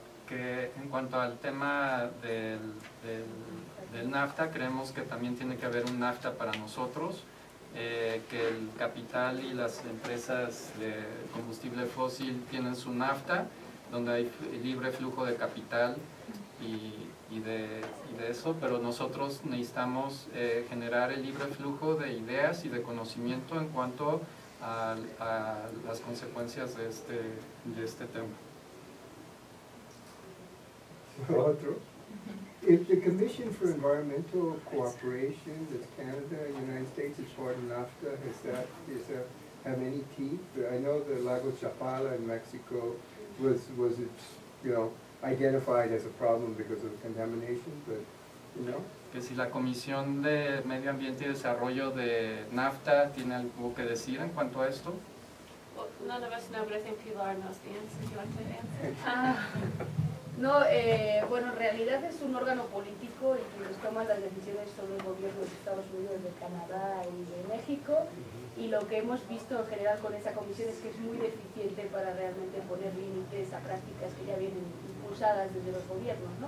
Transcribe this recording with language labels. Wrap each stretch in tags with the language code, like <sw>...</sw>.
<es>En cuanto al tema del NAFTA, creemos que también tiene que haber un NAFTA para nosotros, que el capital y las empresas de combustible fósil tienen su NAFTA, donde hay libre flujo de capital y de eso, pero nosotros necesitamos generar el libre flujo de ideas y de conocimiento en cuanto a las consecuencias de este tema. Otro.</es> <en>If the Commission for Environmental Cooperation, that's Canada and the United States, is part of NAFTA, does that have any teeth? I know the Lago Chapala in Mexico was it, you know, identified as a problem because of contamination, but you know.</en> <es>Que si la Comisión de Medio Ambiente y Desarrollo de NAFTA tiene algo que decir en cuanto a esto.</es> <en>Well, none of us know, but I think Pilar knows the answer. Do you want to answer?</en> <es>No, bueno, en realidad es un órgano político y quienes toman las decisiones son los gobiernos de Estados Unidos, de Canadá y de México, y lo que hemos visto en general con esa comisión es que es muy deficiente para realmente poner límites a prácticas que ya vienen impulsadas desde los gobiernos, ¿no?</es>